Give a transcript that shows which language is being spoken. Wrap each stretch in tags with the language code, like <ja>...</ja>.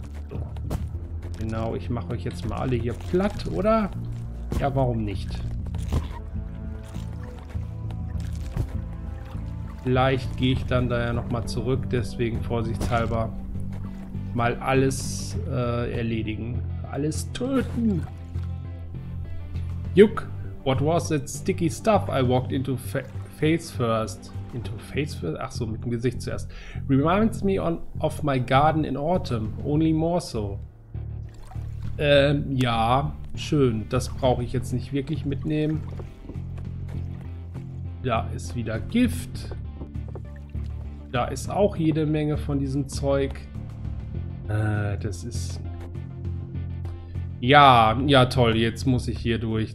<de>So. Genau, ich mache euch jetzt mal alle hier platt, oder? Ja, warum nicht? Vielleicht gehe ich dann da ja nochmal zurück, deswegen vorsichtshalber mal alles erledigen. Alles töten! Yuck!</de> <en>What was that sticky stuff? I walked into face first. Into face first?</en> <de>Ach so, mit dem Gesicht zuerst.</de> <en>Reminds me of my garden in autumn, only more so.</en> <de>Ja, schön. Das brauche ich jetzt nicht wirklich mitnehmen. Da ist wieder Gift. Da ist auch jede Menge von diesem Zeug. Das ist... Ja, ja toll, jetzt muss ich hier durch.</de>